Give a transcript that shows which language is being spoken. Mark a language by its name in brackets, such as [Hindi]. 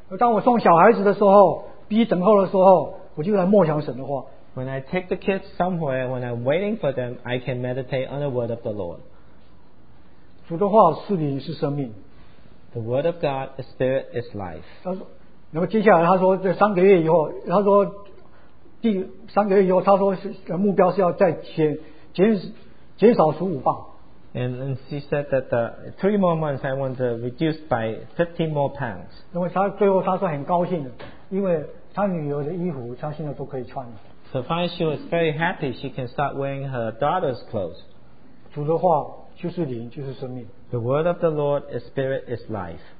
[Chinese] 当我送小孩子的时候, 逼等候的时候, 我就来默想神的话。 [English] When I take the kids somewhere, when I'm waiting for them, I can meditate on the word of the Lord. [Chinese] 主的话是你是生命。 [English] The word of God is spirit, is life. [Chinese] 那么接下来他说这三个月以后，他说第三个月以后，他说目标是要再减少15磅。 [English] And she said that three more months I want to reduce by 15 more pounds. [Chinese] 因为他最后他是很高兴的，因为他女儿的衣服他现在都可以穿了。 [English] So finally she was very happy. She can start wearing her daughter's clothes. [Chinese] 主的话就是灵，就是生命。 [English] The word of the Lord is spirit, is life.